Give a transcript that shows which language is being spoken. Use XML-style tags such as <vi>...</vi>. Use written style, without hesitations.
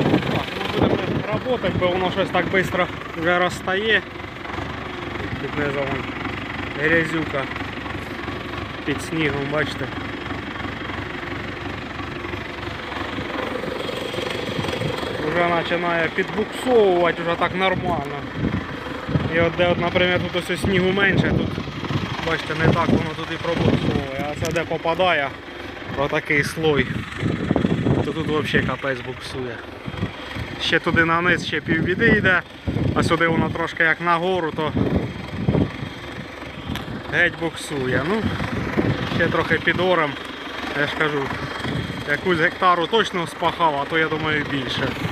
<uk>Так, ми будемо працювати, бо воно щось так швидко вже розстає. Тут внизу вон грязюка під снігом, бачите.</uk> <ru>уже начинает подбуксовывать уже так нормально. И вот где, например, тут ось снегу меньше,</ru> <uk>тут, бачите, не так воно тут</uk> <ru>и пробуксовывает, а це где попадает вот такой слой, то тут вообще капец буксует.</ru> <uk>Ще туди на низ, ще півбіди йде, а сюди воно трошки як нагору, то геть буксує. Ну, ще трохи під ором, я ж кажу, якусь гектару точно спахав, а то, я думаю, більше.</uk>